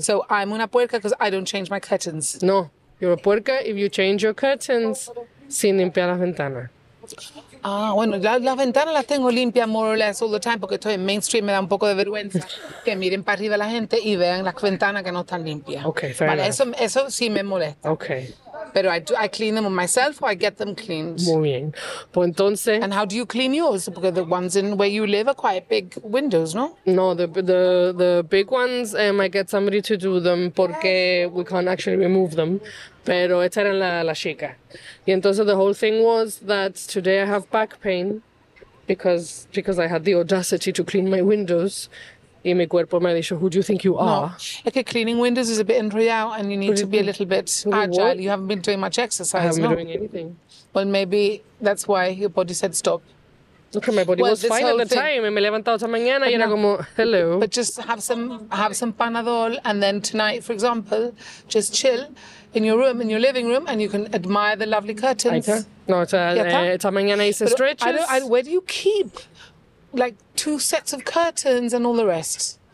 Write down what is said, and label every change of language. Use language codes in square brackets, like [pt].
[en] so I'm [es] una puerca [en] because I don't change my curtains. No, you're a puerca if you change your curtains [es] sin limpiar las ventanas. Ah, bueno, las ventanas las tengo limpias [en] more or less all the time [es] porque estoy en Main Street, me da un poco de vergüenza que miren para arriba la gente y vean las ventanas que no están limpias. [en] Okay, fair [es] vale, [en] enough. [es] Eso sí me molesta. [en] Okay. Pero I clean them myself or I get them cleaned. [es] Muy bien. Pues entonces... [en] And how do you clean yours? Because the ones in where you live are quite big windows, no? No, the big ones, I get somebody to do them porque we can't actually remove them. [es] Pero esta era la chica. Y entonces [en] the whole thing was that today I have back pain because I had the audacity to clean my windows. [es] Y mi cuerpo me ha dicho, [en] who do you think you are? [es] No. [en] Okay, cleaning windows is a bit enrolled and you need to be a little bit agile. What? You haven't been doing much exercise, I haven't been no? doing anything. Well, maybe that's why your body said stop. Okay, my body was fine at the time. [es] Y me he levantado esta mañana y era como, hello. [en] But just have some Panadol and then tonight, for example, just chill in your room, in your living room, and you can admire the lovely curtains. [es] No, esta mañana hice stretches. [en] Where do you keep... Like two sets of curtains and all the rest.